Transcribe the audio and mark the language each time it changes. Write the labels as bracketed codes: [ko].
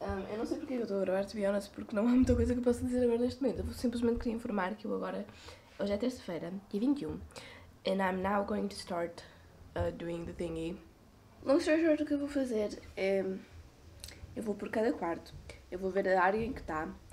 [pt] Eu não sei porque eu estou a gravar, [en] to be honest, [pt] porque não há muita coisa que eu possa dizer agora neste momento. Eu simplesmente queria informar que eu agora. Hoje é terça-feira, dia 21. [en] And I'm now going to start doing the thingy. Long story short, [pt] o que eu vou fazer é. Eu vou por cada quarto. Eu vou ver a área em que está.